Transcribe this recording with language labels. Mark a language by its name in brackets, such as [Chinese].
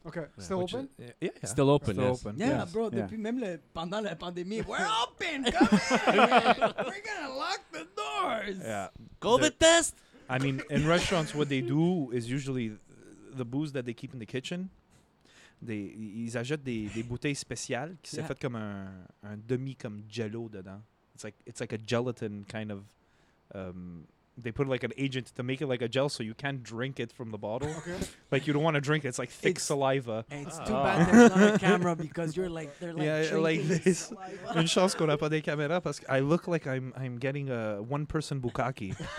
[English] Okay. Yeah. Still open? Yeah. Still open. Still open. Yeah, bro. [French] Même pendant la pandémie, [English] we're open. Come here. We're going to lock the doors. Yeah. COVID test. I mean, in restaurants, what they do is usually the booze that they keep in the kitchen. [French] Ils achètent des bouteilles spéciales qui s'est fait comme un demi comme jello dedans. [English] It's like a gelatin kind of. They put like an agent to make it like a gel so you can't drink it from the bottle. Okay. Like you don't want to drink it. It's like thick saliva. It's too bad there's not a camera because you're like they're like this. [French] Une chance qu'on a pas des caméras parce que [English] I look like I'm getting a one person bukkake.